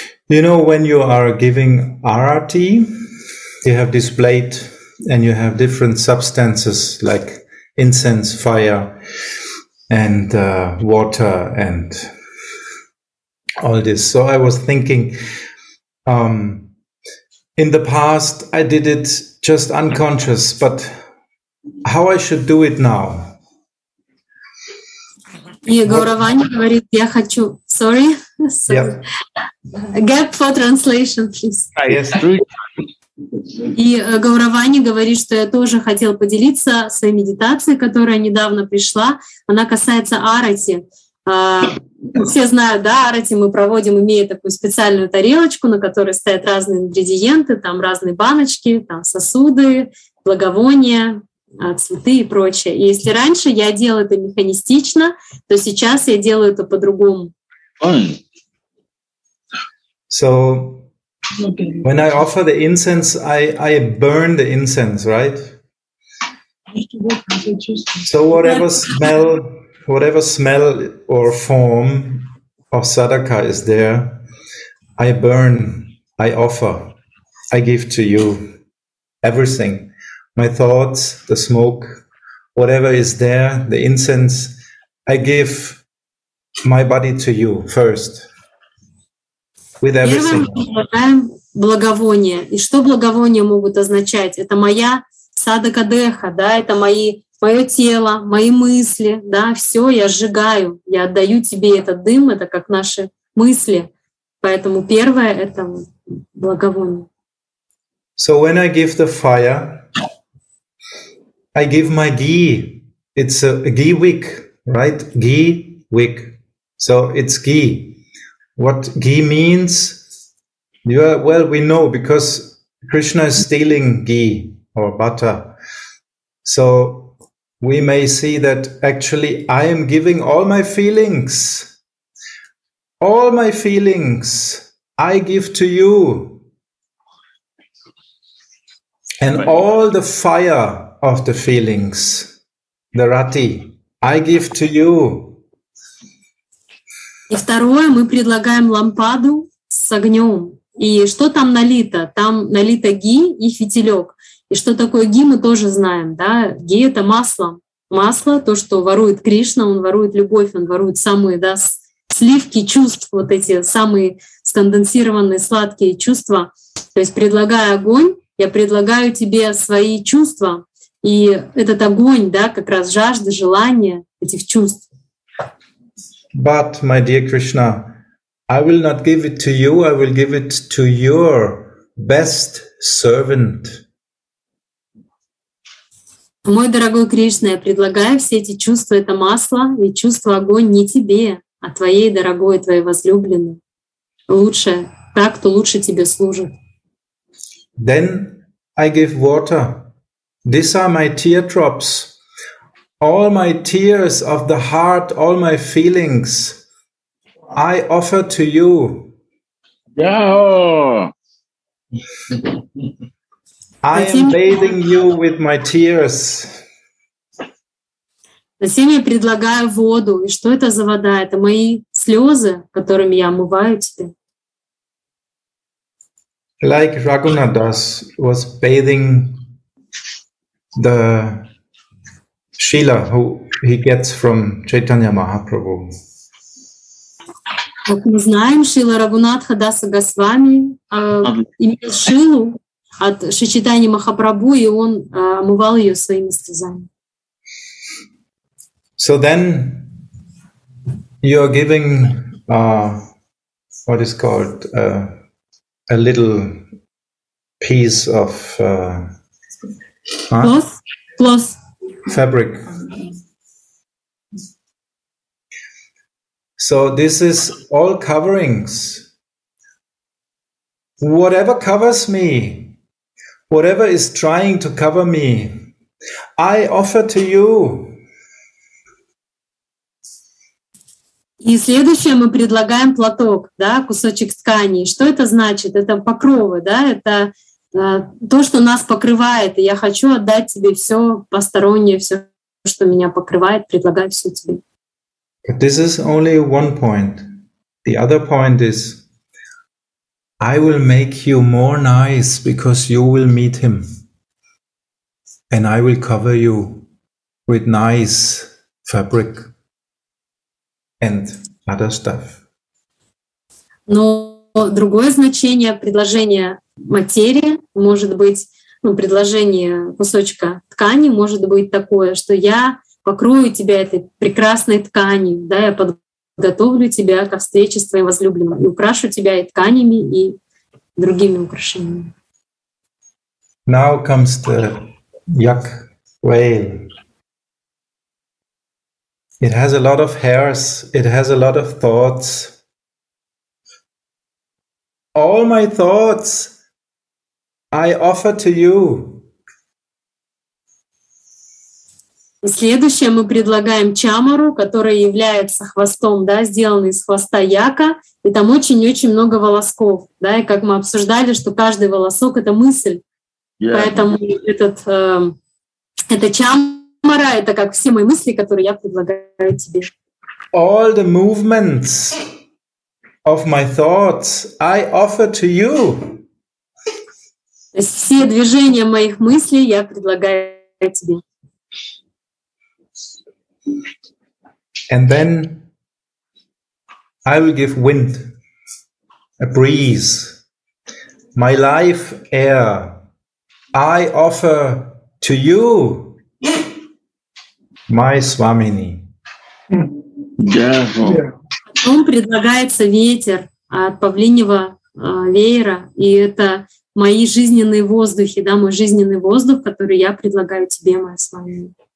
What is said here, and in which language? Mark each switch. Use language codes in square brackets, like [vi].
[en] You know, when you are giving RRT, you have displayed and you have different substances like incense, fire, and water, and all this. So I was thinking, in the past, I did it just unconscious, but how I should do it now? [ru] Егоровань говорит, я хочу. [en] Sorry. Gap for translation, please. [ru] И Гауравани говорит, что я тоже хотел поделиться своей медитацией, которая недавно пришла. Она касается арати. Все знают, да, арати мы проводим, имея такую специальную тарелочку, на которой стоят разные ингредиенты, там разные баночки, там сосуды, благовония, цветы и прочее. И если раньше я делала это механистично, то сейчас я делаю это по-другому. [en] So, when I offer the incense, I burn the incense, right? So whatever smell or form of sadaka is there, I burn, I offer, I give to you everything. My thoughts, the smoke, whatever is there, the incense, I give my body to you first. [ru] Первым мы предлагаем благовония. И что благовония могут означать? Это моя садакадеха, да, это мое тело, мои мысли, да, все я сжигаю, я отдаю тебе этот дым, это как наши мысли. Поэтому первое — это благовоние. [en] So when I give the fire, I give my ghee. It's a ghee wick, right? Ghee wick. So it's ghee. What ghee means? Well, we know because Krishna is stealing ghee or butter. So we may see that actually I am giving all my feelings. All my feelings I give to you. And all the fire of the feelings, the rati, I give to you. [ru] И второе, мы предлагаем лампаду с огнем. И что там налито? Там налито ги и фитилек. И что такое ги, мы тоже знаем. Да? Ги — это масло. Масло — то, что ворует Кришна, он ворует любовь, он ворует самые, да, сливки чувств, вот эти самые сконденсированные сладкие чувства. То есть, предлагая огонь, я предлагаю тебе свои чувства. И этот огонь, да, как раз жажда, желание этих чувств. [en] But, my dear Krishna, I will not give it to you, I will give it to your best servant. [ru] Мой дорогой Кришна, я предлагаю все эти чувства, это масло, и чувство огонь не тебе, а твоей дорогой, твоей возлюбленной. Лучше, так, кто лучше тебе служит. [en] Then I give water. These are my teardrops. All my tears of the heart, all my feelings, I offer to you. Yeah. I am bathing you with my tears. [ru] Затем я предлагаю воду. И что это за вода? Это мои слезы, которыми я омываю тебя. [en] Like Raghunath Das was bathing the Шрила, who he gets from Chaitanya Mahaprabhu. [ru] Как мы знаем, Шрила Рагунатха Даса Госвами имел Шрилу от Шри Чайтаньи Махапрабху, и он омывал ее своими слезами. [en] So then you are giving what is called a little piece of cloth. Fabric. So this is all coverings. Whatever covers me, whatever is trying to cover me, I offer to you. [ru] И следующее мы предлагаем платок, да, кусочек ткани. Что это значит? Это покровы, да, это то, что нас покрывает, и я хочу отдать тебе все постороннее, все, что меня покрывает, предлагаю все тебе. [en] But this is only one point. The other point is I will make you more nice because you will meet him. And I will cover you with nice fabric and other stuff. [ru] Но другое значение предложения материи может быть, ну, предложение кусочка ткани может быть такое, что я покрою тебя этой прекрасной тканью, да, я подготовлю тебя ко встрече с твоим возлюбленным и украшу тебя и тканями, и другими украшениями. [en] Now comes the yak whale. It has a lot of hairs, it has a lot of thoughts. All my thoughts I offer to you. [ru] Следующее мы предлагаем чамару, который является хвостом, да, сделанный из хвоста яка, и там очень-очень много волосков, да, и как мы обсуждали, что каждый волосок — это мысль. [en] Yeah. [ru] Поэтому эта чамара — это как все мои мысли, которые я предлагаю тебе. [en] All the movements of my thoughts I offer to you. [ru] Все движения моих мыслей я предлагаю тебе. [en] And then I will give wind, a breeze, my life air, I offer to you, my Swamini. Yeah. [ru] Он предлагается ветер от павлиньего веера, и это мои жизненные воздухи, да, мой жизненный воздух, который я предлагаю тебе, моя Свамини.